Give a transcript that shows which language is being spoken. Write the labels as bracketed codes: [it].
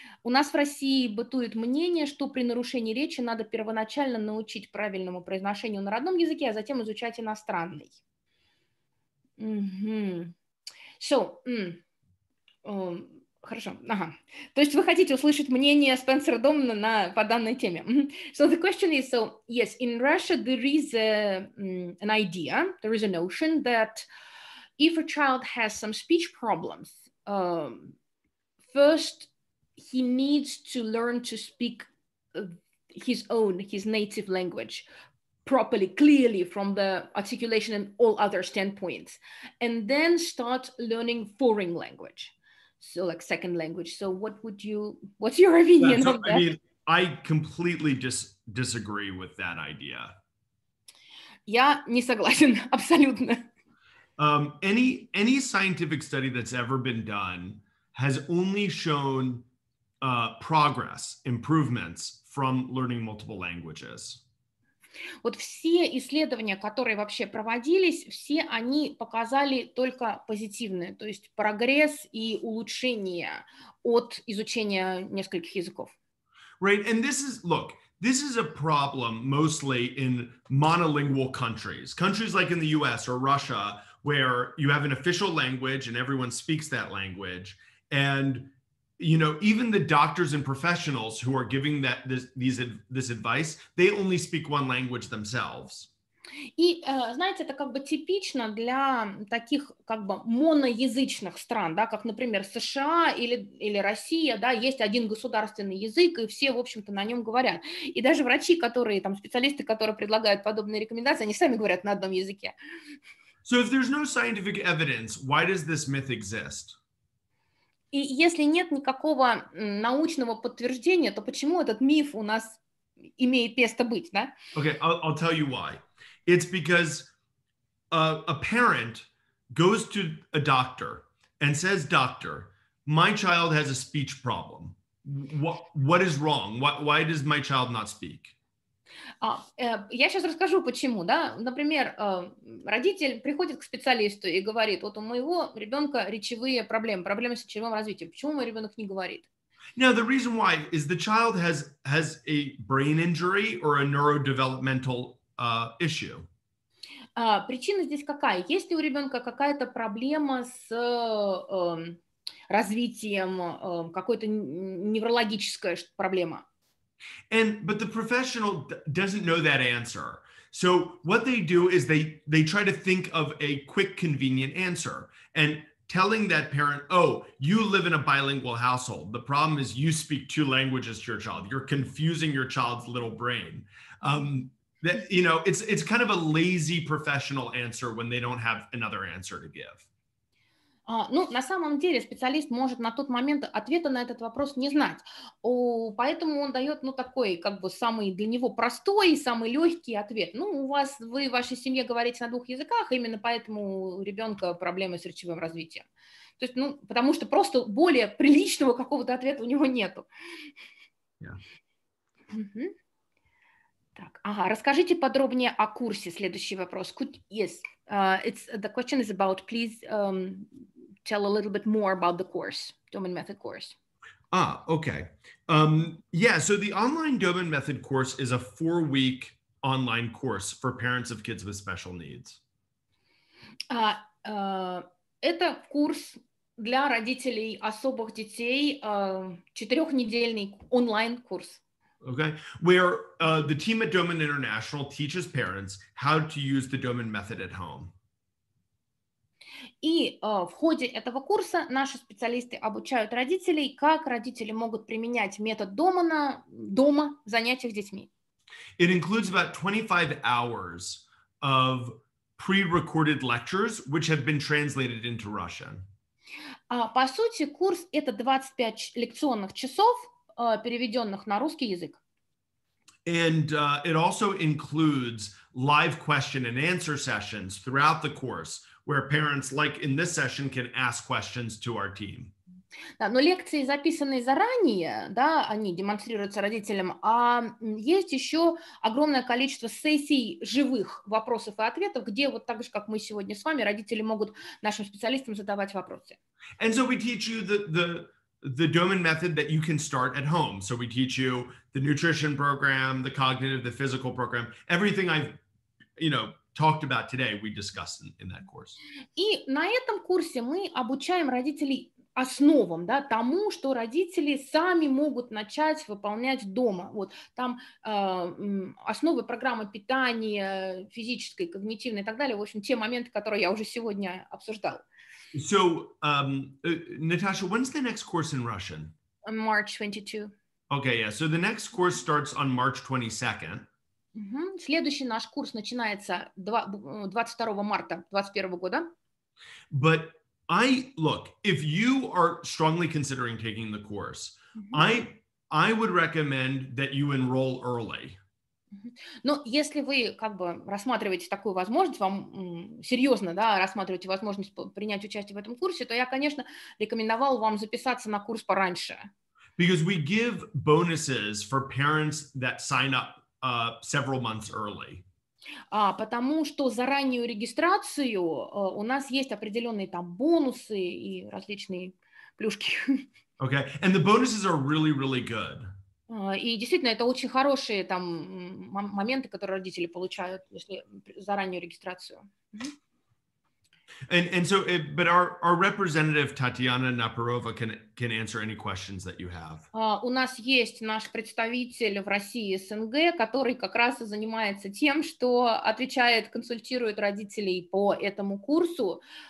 [ru] У нас в России бытует мнение, что при нарушении речи надо первоначально научить правильному произношению на родном языке, а затем изучать иностранный. Mm-hmm. So, хорошо, ага. То есть вы хотите услышать мнение Спенсера Домана по данной теме. [en] So the question is, so yes, in Russia there is an idea, there is a notion that if a child has some speech problems, first he needs to learn to speak his native language properly, clearly from the articulation and all other standpoints, and then start learning foreign language. So like second language. So what's your opinion on that? I mean, I completely disagree with that idea. [ru] Я не согласен, абсолютно. [en] Any scientific study that's ever been done has only shown progress, improvements from learning multiple languages. [ru] Вот все исследования, которые вообще проводились, все они показали только позитивные, то есть прогресс и улучшение от изучения нескольких языков. [en] Right, and this is a problem mostly in monolingual countries. Countries like in the US or Russia, where you have an official language and everyone speaks that language, and you know, even the doctors and professionals who are giving this advice, they only speak one language themselves. [ru] И, знаете, это как бы типично для таких как бы моноязычных стран, да, как, например, США или Россия, да, есть один государственный язык, и все, в общем-то, на нем говорят. И даже врачи, которые, там, специалисты, которые предлагают подобные рекомендации, они сами говорят на одном языке. [en] So if there's no scientific evidence, why does this myth exist? [ru] И если нет никакого научного подтверждения, то почему этот миф у нас имеет место быть, да? [en] Okay, I'll tell you why. It's because a parent goes to a doctor and says, "Doctor, my child has a speech problem. What is wrong? Why does my child not speak?" [ru] Я сейчас расскажу, почему, да. Например, родитель приходит к специалисту и говорит, вот у моего ребенка речевые проблемы, проблемы с речевым развитием. Почему мой ребенок не говорит? [en] Now, the reason why is the child has a brain injury or a neurodevelopmental issue. [ru] Причина здесь какая? Есть ли у ребенка какая-то проблема с развитием, какой-то неврологическая проблема? [en] But the professional doesn't know that answer. So what they do is they try to think of a quick, convenient answer. And telling that parent, oh, you live in a bilingual household. The problem is you speak two languages to your child. You're confusing your child's little brain. It's kind of a lazy professional answer when they don't have another answer to give. [ru] Ну, на самом деле, специалист может на тот момент ответа на этот вопрос не знать. Поэтому он дает, ну, такой, как бы, самый для него простой, самый легкий ответ. Ну, вы в вашей семье говорите на двух языках, именно поэтому у ребенка проблемы с речевым развитием. То есть, ну, потому что просто более приличного какого-то ответа у него нету. [en] Yeah. [ru] Так, ага, расскажите подробнее о курсе. Следующий вопрос. [en] The question is about, please tell a little bit more about the course, Domain Method course. Ah, okay. So the online Domain Method course is a 4-week online course for parents of kids with special needs. [ru] Это курс для родителей особых детей четырехнедельный онлайн-курс. [en] Okay, where the team at Doman International teaches parents how to use the Doman method at home. [ru] И в ходе этого курса наши специалисты обучают родителей, как родители могут применять метод Домана дома в занятиях с детьми. [en] It includes about 25 hours of pre-recorded lectures, which have been translated into Russian. [ru] По сути, курс — это 25 лекционных часов, переведенных на русский язык. [en] And it also includes live question and answer sessions throughout the course, where parents, like in this session, can ask questions to our team. [ru] Да, но лекции, записанные заранее, да, они демонстрируются родителям, а есть еще огромное количество сессий живых вопросов и ответов, где вот так же, как мы сегодня с вами, родители могут нашим специалистам задавать вопросы. [en] And so we teach you the Doman method that you can start at home. So we teach you the nutrition program, the cognitive, the physical program, everything I've, you know, talked about today, we discussed in that course. [ru] И на этом курсе мы обучаем родителей основам, да, тому, что родители сами могут начать выполнять дома. Вот там основы программы питания, физической, когнитивной и так далее. В общем, те моменты, которые я уже сегодня обсуждала. [en] So, Natasha, when's the next course in Russian? March 22. Okay, yeah. So the next course starts on March 22nd. Mm-hmm. [ru] Следующий наш курс начинается 22 марта 2021 года. [en] But I look, if you are strongly considering taking the course, mm-hmm. I would recommend that you enroll early. [ru] Но если вы как бы рассматриваете такую возможность, вам серьезно, да, рассматриваете возможность принять участие в этом курсе, то я, конечно, рекомендовал вам записаться на курс пораньше. [en] Because we give bonuses for parents that sign up several months early. [ru] Потому что за раннюю регистрацию у нас есть определенные там бонусы и различные плюшки. [en] Okay, and the bonuses are really, really good. [ru] И действительно, это очень хорошие там моменты, которые родители получают, если за раннюю регистрацию. [en] And so, but our representative Татьяна Напорова can answer any questions that you have. [ru] У нас есть наш представитель в России СНГ, который как раз и занимается тем, что отвечает, консультирует родителей по этому курсу.